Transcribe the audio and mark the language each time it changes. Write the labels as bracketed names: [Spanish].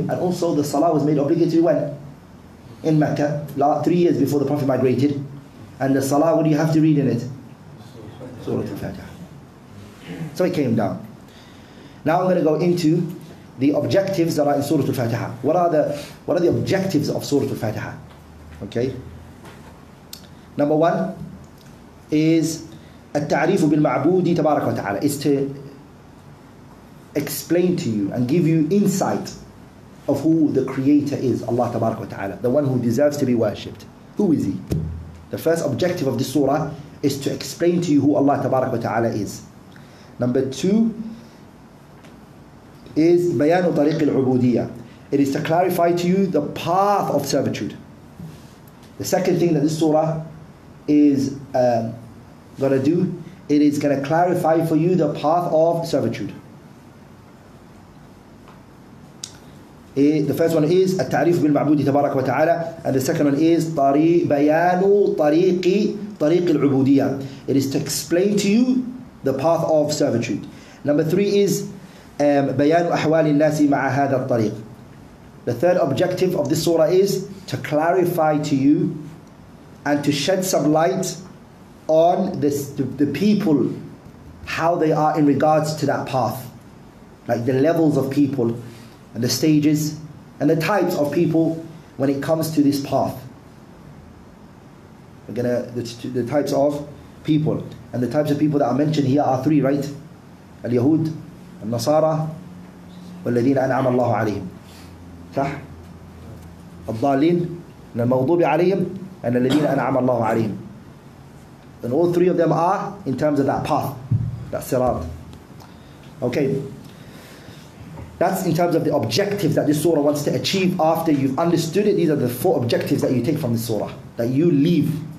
[English] And also the salah was made obligatory when? In Mecca, 3 years before the Prophet migrated. And the salah, what do you have to read in it? Surah Al-Fatiha. So it came down. Now I'm going to go into the objectives that are in Surah Al-Fatiha. What are the objectives of Surah Al-Fatiha? Okay. [Arabic] Number one is التعريف بالمعبود تبارك وتعالى. [English] It's to explain to you and give you insight of who the Creator is, Allah تبارك وتعالى, the one who deserves to be worshipped. Who is He? The first objective of this surah is to explain to you who Allah تبارك وتعالى is. Number two is [Arabic] بيان طريق العبودية. [English] It is to clarify to you the path of servitude. The second thing that this surah is going to do, it is going to clarify for you the path of servitude. The first one is [Arabic] التعريف بالمعبود تبارك وتعالى, [English] and the second one is [Arabic] بيان طريق العبودية. [English] It is to explain to you the path of servitude. [Arabic] Number three is بيان أحوال الناس مع هذا الطريق. [English] The third objective of this surah is to clarify to you and to shed some light on the people, how they are in regards to that path, like the levels of people and the stages and the types of people when it comes to this path. We're gonna the types of people, and the types of people that are mentioned here are three, right? [Arabic] Al-Yahud, Al-Nasara, Wal-Ladina An'ama Allahu Alayhim. صح؟ الضالين من المغضوب عليهم أن الذين أنعم الله عليهم. [English] And all three of them are in terms of that path, that sirat. Okay. That's in terms of the objectives that this surah wants to achieve after you've understood it. These are the four objectives that you take from this surah, that you leave.